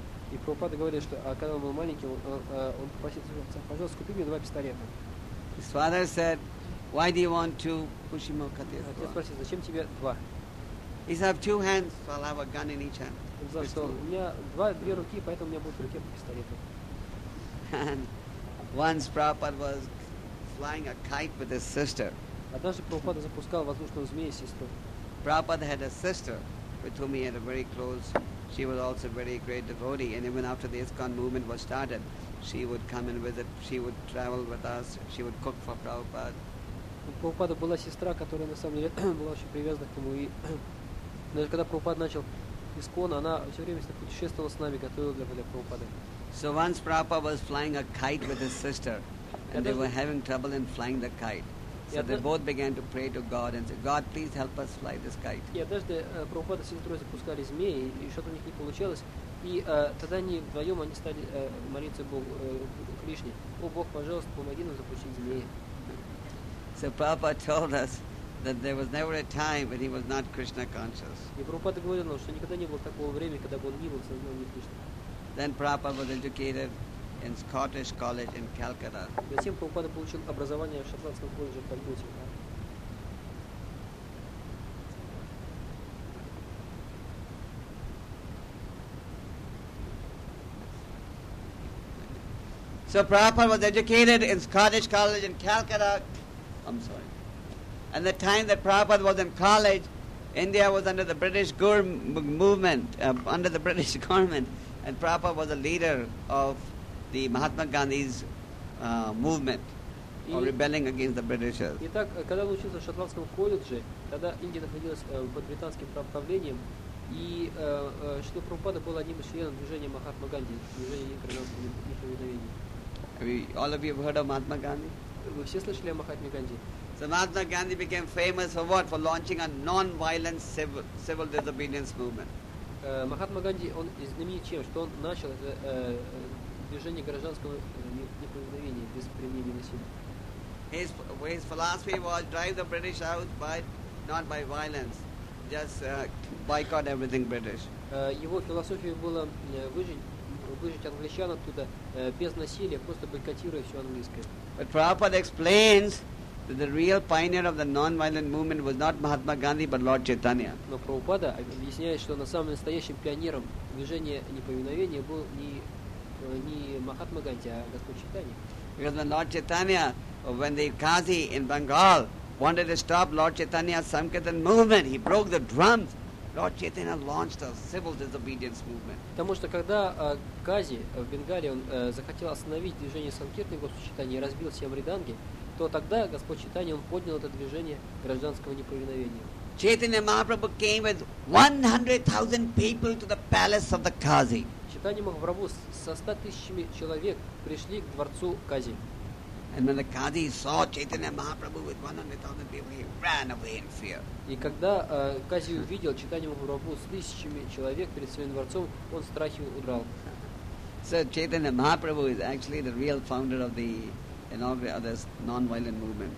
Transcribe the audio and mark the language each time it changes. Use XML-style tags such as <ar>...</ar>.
<ru>И Прабхупада говорит, что когда он был маленький, он попросил своего отца, пожалуйста, купи мне 2 пистолета.</ru> <en>His father said, why do you want 2 pushimokatis?</en> <ru>Отец спросил, зачем тебе 2?</ru> <en>He said, I have 2 hands, so I'll have a gun in each hand.</en> <ru>У меня две руки, поэтому у меня будет в руке по пистолету.</ru> <en>And once Prabhupada was flying a kite with his sister.</en> <ru>Однажды Прабхупада запускал воздушного змея с сестрой.</ru> <en>Prabhupada had a sister with whom he had a very close. She was also a very great devotee, and even after the ISKCON movement was started, she would come and visit. She would travel with us. She would cook for Prabhupada.</en> <ru>У Прабхупады была сестра, которая на самом деле была очень привязана к нему, и даже когда Прабхупада начал ИСККОН, она все время путешествовала с нами, готовила для Прабхупады.</ru> <en>So once Prabhupada was flying a kite with his sister, and they were having trouble in flying the kite. So they both began to pray to God and say, God, please help us fly this kite.</en> <ru>И однажды Прабхупада с сестрой запускали змеи, и что-то у них не получалось. И тогда они вдвоем они стали молиться Богу Кришне. О, Бог, пожалуйста, помоги нам запустить змеи.</ru> <en>So Prabhupada told us that there was never a time when he was not Krishna conscious.</en> <ru>И Прабхупада говорил нам, что никогда не было такого времени, когда бы он не был сознанием Кришны.</ru> <en>Then Prabhupada was educated in Scottish College in Calcutta.</en> <ru>Затем Прабхупада получил образование в Шотландском колледже в Калькутте.</ru> <en>So Prabhupada was educated in Scottish College in Calcutta. I'm sorry. And the time that Prabhupada was in college, India was under the British movement, under the British government. And Prabhupada was a leader of the Mahatma Gandhi's movement of rebelling against the Britishers.</en> <ru>Итак, когда он учился в Шотландском колледже, тогда Индия находилась под британским правлением, и что Прабхупада был одним из членов движения Махатма Ганди, движения непроведения.</ru> <en>All of you have heard of Mahatma Gandhi?</en> <ru>Вы все слышали о Махатме Ганди?</ru> <en>So Mahatma Gandhi became famous for what? For launching a non-violent civil disobedience movement.</en> <ru>Махатма Ганди, он знаменит чем? Что он начал это движение гражданского неповиновения без применения насилия.</ru> <en>His philosophy was drive the British out, but not by violence, just boycott everything British.</en> <ru>Его философия была выжить англичан оттуда без насилия, просто бойкотируя все английское.</ru> <en>But Prabhupada explains that the real pioneer of the non-violent movement was not Mahatma Gandhi, but Lord Chaitanya.</en> <ru>Но Прабхупада объясняет, что на самом настоящем пионером движения неповиновения был не Махатма Ганди, а Господь Чайтанья.</ru> <en>Because when Lord Chaitanya, when the Kazi in Bengal wanted to stop Lord Chaitanya's Sankirtan movement, he broke the drums. Lord Chaitanya launched a civil disobedience movement.</en> <ru>Потому что когда Кази в Бенгале он захотел остановить движение Санкирты Господь Чайтанья и разбил все мриданги, то тогда Господь Чайтанья поднял это движение гражданского неповиновения.</ru> <en>Chaitanya Mahaprabhu came with 100,000 people to the palace of the Kazi.</en> <ru>Чайтанья Махапрабху со 100,000 человек пришли к дворцу Кази.</ru> <en>And when the Kazi saw Chaitanya Mahaprabhu with 100,000 people, he ran away in fear.</en> <ru>И когда Кази увидел Чайтанья Махапрабху с 1,000 человек перед своим дворцом, он в страхе удрал.</ru> <en>So Chaitanya Mahaprabhu is actually the real founder of the and all the other non-violent movement.</en>